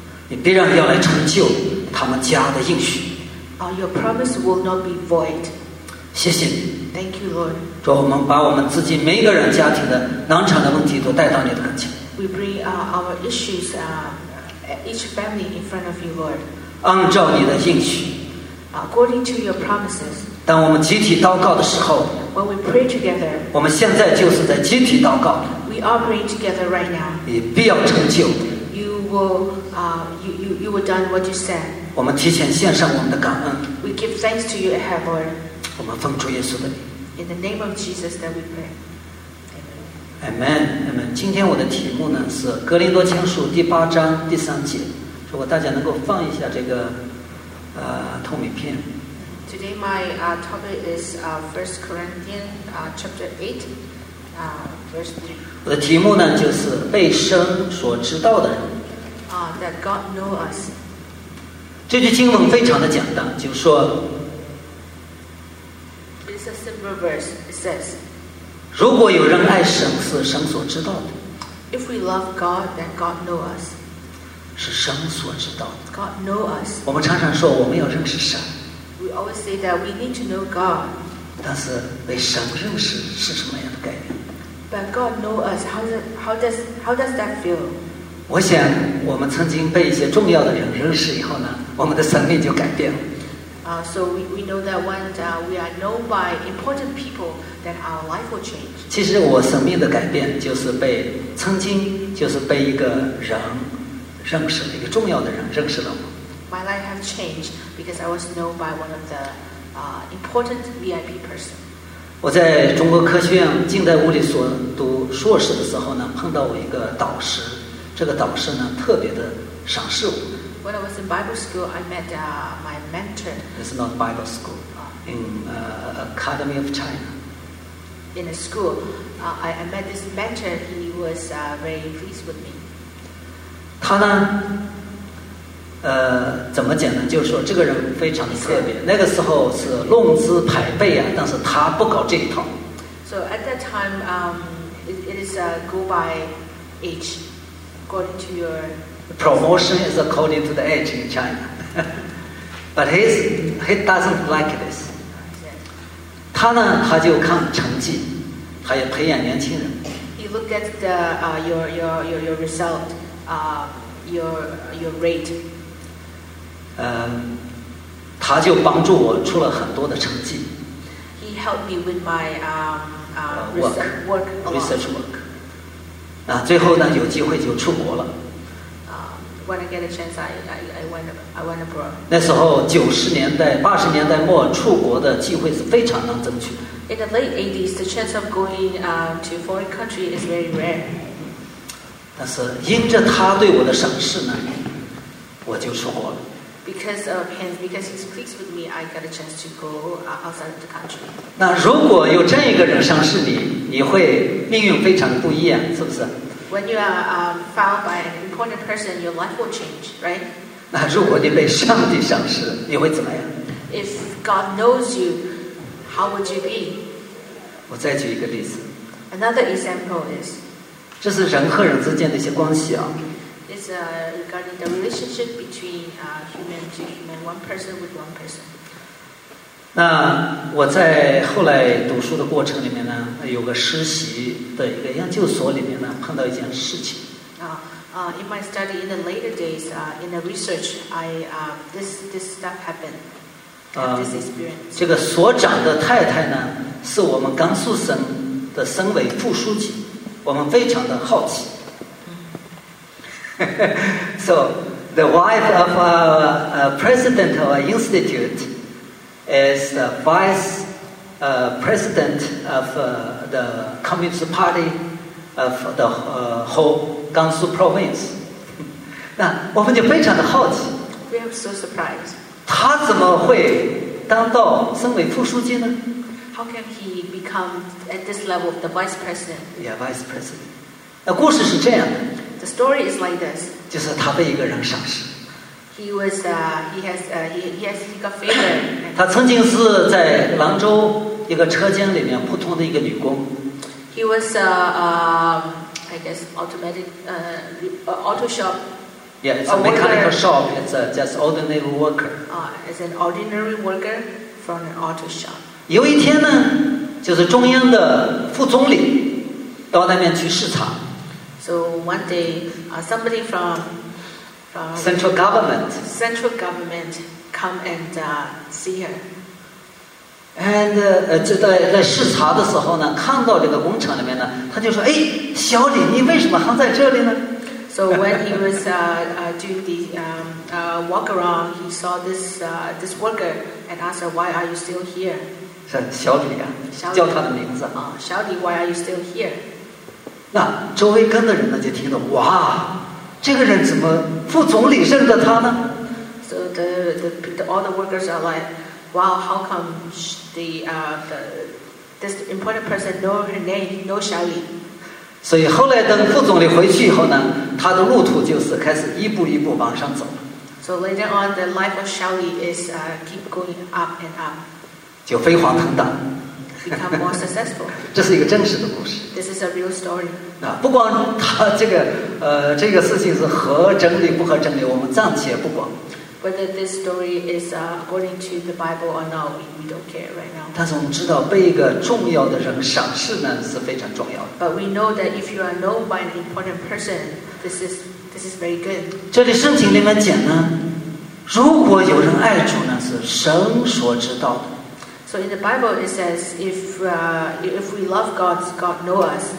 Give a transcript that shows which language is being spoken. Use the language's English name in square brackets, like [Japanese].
[Chinese] 你必然要来成就他们家的应许。 [English] Your promise will not be void. [Chinese] 谢谢你。 [English] Thank you, Lord. [Chinese] 主，我们把我们自己每一个人家庭的囊肠的问题都带到你的跟前。 [English] We bring, our issues, each family in front of you, Lord. [Chinese] 按照你的应许。 [English] According to your promises. [Chinese] 当我们集体祷告的时候。 [English] When we pray together. [Chinese] 我们现在就是在集体祷告。 [English] We are praying together right now. [Chinese] 你必要成就。 [English] You will, you will done what you said. [Chinese] 我们提前献上我们的感恩。 [English] We give thanks to you, Heaven. [Chinese] 我们奉主耶稣的名。 [English] In the name of Jesus, that we pray. Amen. Amen. Amen. [Chinese] 今天我的题目呢是《哥林多前书》第八章第三节。如果大家能够放一下这个透明片。 [English] Today my topic is First Corinthians chapter 8, verse 3. [Chinese] 我的题目呢就是被神所知道的人。 [English] That God knows us. [Chinese] 这句经文非常的简单，就是说 [English] It's a simple verse. It says, [Chinese] 如果有人爱神，是神所知道的。 [English] If we love God, then God knows us. [Chinese] 是神所知道的。 [English] God knows us. [Chinese] 我们常常说我们要认识神。 [English] We always say that we need to know God. [Chinese] 但是被神认识是什么样的概念？ [English] But God knows us. How does that feel? [Chinese] 我想我们曾经被一些重要的人认识以后呢，我们的生命就改变了。 [English] So we know that when we are known by important people, that our life will change. [Chinese] 其实我生命的改变就是被曾经就是被一个人认识了，一个重要的人认识了我。 [English] My life has changed because I was known by one of the important VIP person. [Chinese] 我在中国科学院近代物理所读硕士的时候呢，碰到我一个导师。这个导师呢，特别的赏识我。 [English] When I was in Bible school, I met my mentor. It's not Bible school. In Academy of China. In a school, I met this mentor. He was very pleased with me. [Chinese] 他呢，怎么讲呢？就是说，这个人非常的特别。那个时候是论资排辈啊，但是他不搞这一套。 [English] So at that time, it is go by age. According to your promotion is according to the age in China, but he doesn't like this. [Chinese] 他呢，他就看成绩，他也培养年轻人。 [English] He looked at the your result, your rate. [Chinese] 他就帮助我出了很多的成绩。 [English] He helped me with my research work. [Chinese] 最后呢，有机会就出国了。 [English] When I get a chance, I went abroad. [Chinese] 那时候九十年代、八十年代末，出国的机会是非常难争取的。 [English] In the late 80s, the chance of going to foreign country is very rare. [Chinese] 但是因着他对我的赏识呢，我就出国了。 [English] Because of him, because he speaks with me, I got a chance to go outside of the country. [Chinese] 那如果有这样一个人赏识你，你会命运非常不一样，是不是？ [English] When you are found by an important person, your life will change, right? [Chinese] 那如果你被上帝赏识，你会怎么样？ [English] If God knows you, how would you be? [Chinese] 我再举一个例子。 [English] Another example is. [Chinese] 这是人和人之间的一些关系啊。 [English] Regarding the relationship between human to human, one person with one person. [Chinese] 那我在后来读书的过程里面呢，有个实习的一个研究所里面呢，碰到一件事情。 [English] In my study in the later days, in the research, this stuff happened. This experience. [Chinese] 这个所长的太太呢，是我们甘肃省的省委副书记，我们非常的好奇。 [English] So the wife of our president of our institute is the vice president of the Communist Party of the whole Gansu province. [Chinese] 那我们就非常的好奇。 [English] We are so surprised. [Chinese] 他怎么会当到省委副书记呢？ [English] How can he become at this level of the vice president? Yeah, vice president. [Chinese] 故事是这样的。 [English] The story is like this. [Chinese] 就是他被一个人赏识。 [English] He was, he got favored. [Chinese] 他曾经是在兰州一个车间里面普通的一个女工。 [English] He was a, I guess, automatic, auto shop. Yeah, it's a mechanical shop. It's a just ordinary worker. As an ordinary worker from an auto shop. [Chinese] 有一天呢，就是中央的副总理到那边去视察。 [English] So one day, somebody from central government, come and see her. [Chinese] And 就在视察的时候呢，看到这个工厂里面呢，他就说：“哎，小李，你为什么还在这里呢？” [English] So when he was doing the walk around, he saw this this worker and asked, "Why are you still here?" [Chinese] 是小李啊，叫他的名字 [English] 啊。小李 ，Why are you still here? [Chinese] 那周围跟的人呢就听到，哇，这个人怎么副总理认得他呢 [English] ？So the all the workers are like, wow, how come this important person know her name, know Xiaoli? [Chinese] 所以后来等副总理回去以后呢，他的路途就是开始一步一步往上走。 [English] So later on, the life of Xiaoli is keep going up and up. [Chinese] 就飞黄腾达。 [English] Become more successful. [Chinese] 这是一个真实的故事。 [English] This is a real story. [Chinese] 啊，不管他这个事情是合真理不合真理，我们暂且不管。 [English] Whether this story is according to the Bible or not, we don't care right now. [Chinese] 但是我们知道，被一个重要的人赏识呢是非常重要的。 [English] But we know that if you are known by an important person, this is very good. [Chinese] 这里圣经里面讲呢，如果有人爱主呢，是神所知道的。 [English] So in the Bible it says, if we love God, God know us.